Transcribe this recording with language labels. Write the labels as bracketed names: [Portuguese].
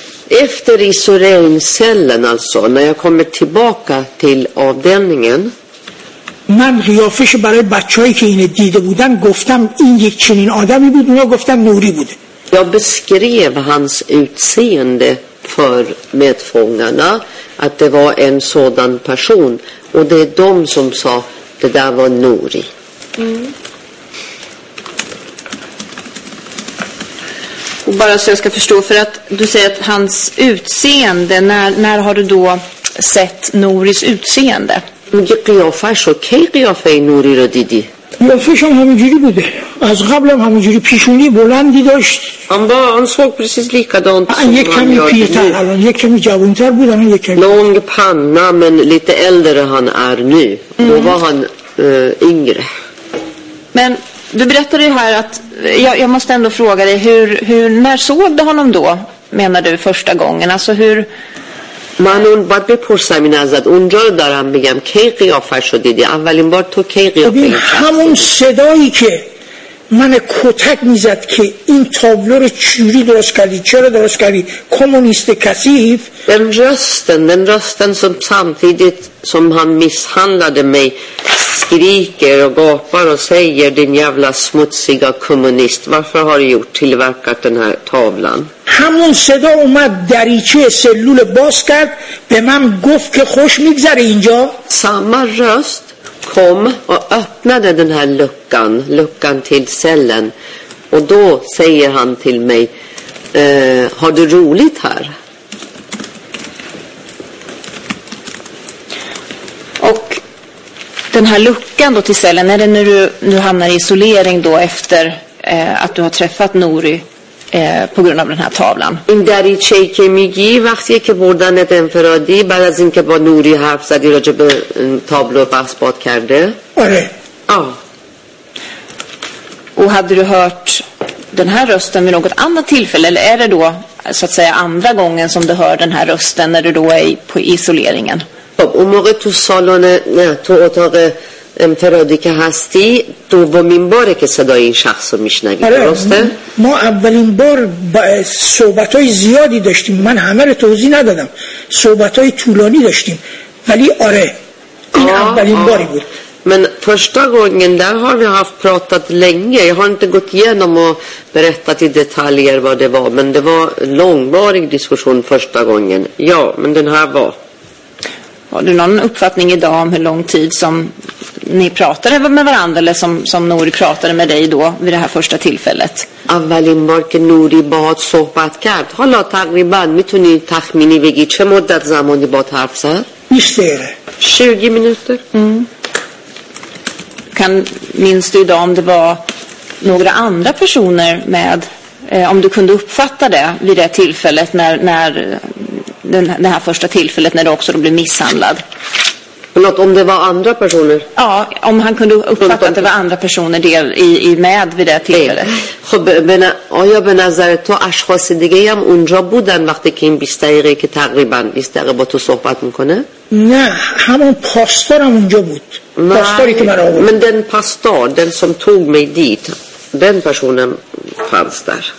[Swedish] Efter isoleringscellen alltså när jag kommer tillbaka till avdelningen [Persian] من قیافش برای بچه‌ای که اینو دیده بودن گفتم این یک چنین آدمی بود اونا گفتن نوری بود [Swedish] Jag beskrev hans utseende för medfångarna att det var en sådan person och det är de som sa det där var Nouri. Och bara så jag ska förstå, för att du säger att hans utseende, när har du då sett Nouris utseende? Han såg precis likadant som han gör nu. Lång panna, men lite äldre han är nu. Då var han yngre. Men du berättade ju här att jag måste ändå fråga dig hur när såg du honom då menar du första gången alltså hur [Persian] man hon vad bepursar min azad اونجا رو دارم میگم کی قیافش رو دیدی اولین بار تو کی قیافش ببین همون صدایی که من کتک میزد که این تابلو رو چوری درست کردی چرا درست کردی کمونیست کثیف [Swedish] den rösten som samtidigt som han misshandlade mig skriker och gapar och säger din jävla smutsiga kommunist varför har du tillverkat den här tavlan [Persian] همون صدا اومد دریچه سلول باز کرد به من گفت که خوش میگذره اینجا [Swedish] samma röst kom och öppnade den här luckan till cellen och då säger han till mig har du roligt här och den här luckan då till cellen är det när du hamnar i isolering då efter att du har träffat Nouri på grund av den här tavlan. [Persian] این در چه که میگی وقتی که بردنت انفرادی بعد از اینکه با نوری حرف زدی راجع به تابلو بحث باد کرده؟ آره. آه. [Swedish] Och hade du hört den här rösten vid något annat tillfälle eller är det då så att säga andra gången som du hör den här rösten när du då är på isoleringen? [Persian] اون موقع تو سالن نه تو اتاق انفرادی که هستی دومین باره که صدای این شخص رو میشنوی درسته؟ ما اولین بار با صحبتای زیادی داشتیم من همه رو توضیح ندادم صحبتای طولانی داشتیم ولی آره این اولین باری بود [Swedish] Men första gången där har vi haft pratat länge. Jag har inte gått igenom och berättat i detaljer vad det var. Men det var en långvarig diskussion första gången. Ja, men den här var. Har du någon uppfattning idag om hur lång tid som ni pratade med varandra eller som Nori pratade med dig då vid det här första tillfället? [Persian] اولین بار که نوری با هات صحبت کرد. حالا تقریبا میتونی تخمینی بگی چه مدت زمانی با هات حرف زد؟ [Swedish] 20 minuter. Mm. Kan minns du idag om det var några andra personer med om du kunde uppfatta det vid det tillfället när det här första tillfället när du också då blev misshandlad. Förlåt, om det var andra personer? Ja, om han kunde uppfatta att det var andra personer del i med vid det tillfället. [Persian] آیا به نظر تو اشخاص دیگه هم اونجا بودن وقتی که این 20 دقیقه که تقریبا 20 دقیقه با تو صحبت میکنه؟ نه همون پاستور هم اونجا بود پاستوری که من آورد [Swedish] من دن پاستور دن سم توگ می دیت دن پرسونم فانس در